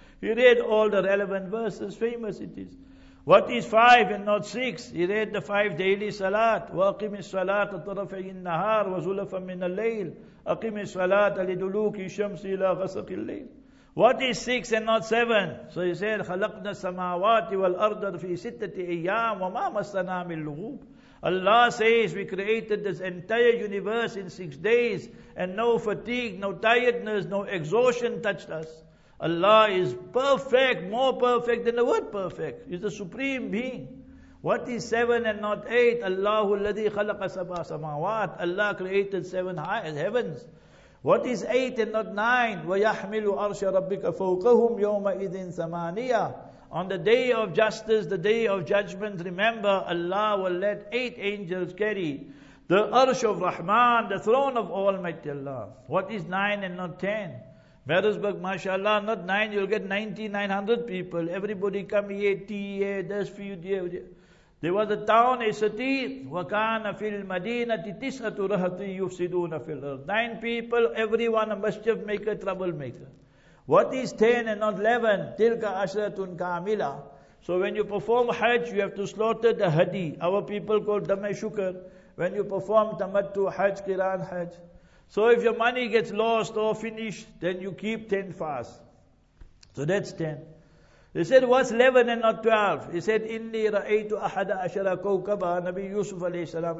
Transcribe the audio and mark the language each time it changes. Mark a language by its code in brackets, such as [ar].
[en] He read all the relevant verses, famous it is. What is five and not six? He read the five daily salat. [ar] وَأَقِمِ الصَّلَاةَ طَرَفَيِ النَّهَارِ وَزُلَفًا مِنَ اللَّيْلِ. أَقِمِ الصَّلَاةَ لِدُلُوكِ الشَّمْسِ إِلَىٰ غَسَقِ اللَّيْلِ. [en] What is six and not seven? So he said, [ar] خَلَقْنَا السَّمَاوَاتِ وَالْأَرْضَ فِي سِتَّةِ أَيَّامِ وَمَا مَسَّنَا مِنْ لُغُوبِ. [en] Allah says, we created this entire universe in 6 days, and no fatigue, no tiredness, no exhaustion touched us. Allah is perfect, more perfect than the word perfect. He's the supreme being. What is seven and not eight? [ar] Allahu alladhi khalaqa sab'a samawat. [en] Allah created seven heavens. What is eight and not nine? [ar] Wa yahmilu arsha rabbika fawqahum yawma idhin thamaniya. [en] On the day of justice, the day of judgment, remember, Allah will let eight angels carry the arsh of Rahman, the throne of Almighty Allah. What is nine and not ten? Marisburg, mashallah, not nine, you'll get 9,900 people. Everybody come here, tea here, there's food here. There was a town, a city, [ar] وَكَانَ فِي الْمَدِينَةِ تِسْعَةُ رَهَةٍ يُفْسِدُونَ فِي الْأَرْضِ. [en] Nine people, everyone a mischief maker, troublemaker. What is ten and not 11? [ar] تِلْكَ عَشْرَةٌ kamila. [en] So when you perform hajj, you have to slaughter the hadi. Our people call dhamme shukr. When you perform tamattu hajj, qiran hajj. So if your money gets lost or finished, then you keep 10 fast. So that's 10. He said, what's 11 and not 12? He said, [ar] Inni ra'aytu ahada ashara kawkaba, [en] Nabi Yusuf alayhi salam.